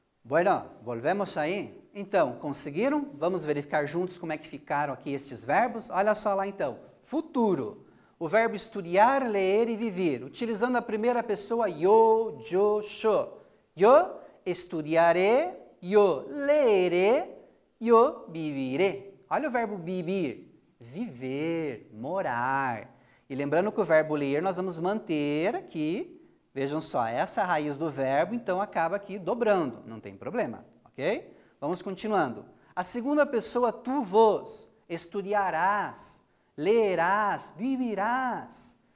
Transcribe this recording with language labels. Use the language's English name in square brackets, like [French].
[Spanish] Bueno, volvemos [Portuguese] aí. Então, conseguiram? Vamos verificar juntos como é que ficaram aqui estes verbos. Olha só lá então. Futuro. O verbo estudar, ler e viver. Utilizando a primeira pessoa, yo, yo, yo. [Spanish] Yo estudiaré, yo leeré, yo viviré. [Portuguese] Olha o verbo vivir. Viver, morar. E lembrando que o verbo ler nós vamos manter aqui. Vejam só, essa raiz do verbo, então, acaba aqui dobrando. Não tem problema, ok? Vamos continuando. A segunda pessoa, tu vos, [Spanish] estudiarás, lerás, vivirás.